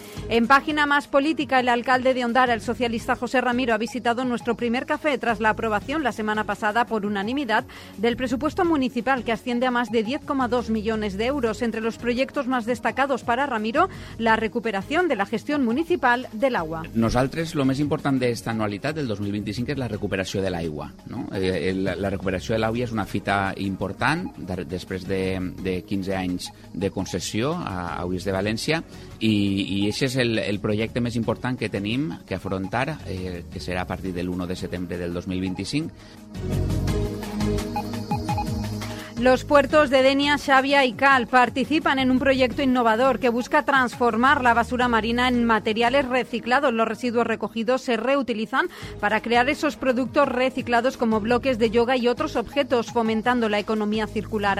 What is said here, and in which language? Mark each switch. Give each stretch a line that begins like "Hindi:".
Spanish: En Página Más Política, el alcalde de Ondara, el socialista José Ramiro, ha visitado nuestro primer café tras la aprobación la semana pasada por unanimidad del presupuesto municipal, que asciende a más de 10,2 millones de euros. Entre los proyectos más destacados para Ramiro, la recuperación de la gestión municipal del agua.
Catalan: Nosaltres, lo més important d'esta anualitat del 2025 és la recuperació de l'aigua. No? La recuperació de l'aigua és una fita important després de 15 anys de concessió a Aigües de València, i això és el projecte més important que tenim que afrontar, que serà a partir del 1 de setembre del 2025.
Spanish: Los puertos de Denia, Xavia y Cal participan en un proyecto innovador que busca transformar la basura marina en materiales reciclados. Los residuos recogidos se reutilizan para crear esos productos reciclados como bloques de yoga y otros objetos, fomentando la economía circular.